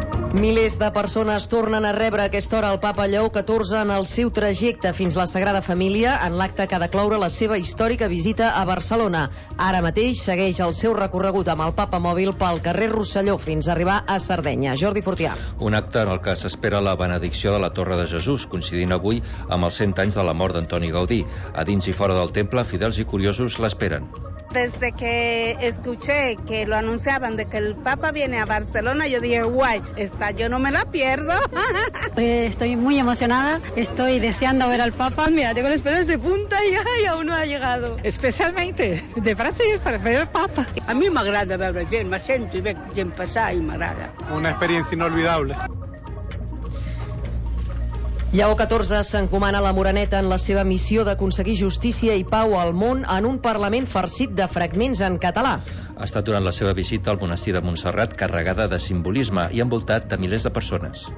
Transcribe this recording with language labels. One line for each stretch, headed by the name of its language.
Catalan: Milers de persones tornen a rebre aquesta hora el Papa Lleó XIV en el seu trajecte fins a la Sagrada Família en l'acte que ha de cloure la seva històrica visita a Barcelona. Ara mateix segueix el seu recorregut amb el Papa Mòbil pel carrer Rosselló fins a arribar a Sardenya. Jordi Fortià. Un acte en el que s'espera la benedicció de la Torre de Jesús, coincidint avui amb els 100 anys de la mort d'Antoni Gaudí. A dins i fora del temple, fidels i curiosos l'esperen.
Spanish: Desde que escuché que lo anunciaban de que el Papa viene a Barcelona, yo dije, guay, esta yo no me la pierdo. Estoy muy emocionada, estoy deseando ver al Papa. Mira, tengo los pelos de punta y aún no ha llegado. Especialmente de Brasil, para ver al Papa. A mí me agrada ver a gente, me siento y ver gente pasar y me agrada. Una experiencia inolvidable.
Catalan: Lleó XIV s'encomana a la Moreneta en la seva missió d'aconseguir justícia i pau al món en un Parlament farcit de fragments en català. Ha estat durant la seva visita al monestir de Montserrat carregada de simbolisme i envoltat de milers de persones.